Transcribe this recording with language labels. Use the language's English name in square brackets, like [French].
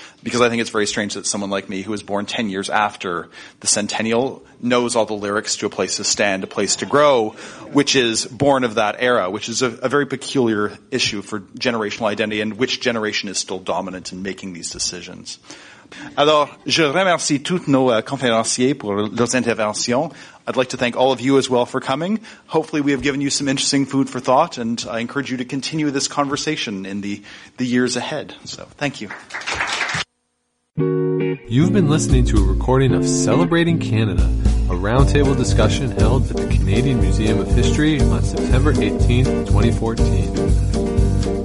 [English] Because I think it's very strange that someone like me, who was born 10 years after the centennial, knows all the lyrics to A Place to Stand, A Place to Grow, which is born of that era, which is a very peculiar issue for generational identity and which generation is still dominant in making these decisions. [French] Alors, je remercie tous nos conférenciers pour leurs interventions. [English] I'd like to thank all of you as well for coming. Hopefully we have given you some interesting food for thought, and I encourage you to continue this conversation in the years ahead. So, thank you. You've been listening to a recording of Celebrating Canada, a roundtable discussion held at the Canadian Museum of History on September 18th, 2014.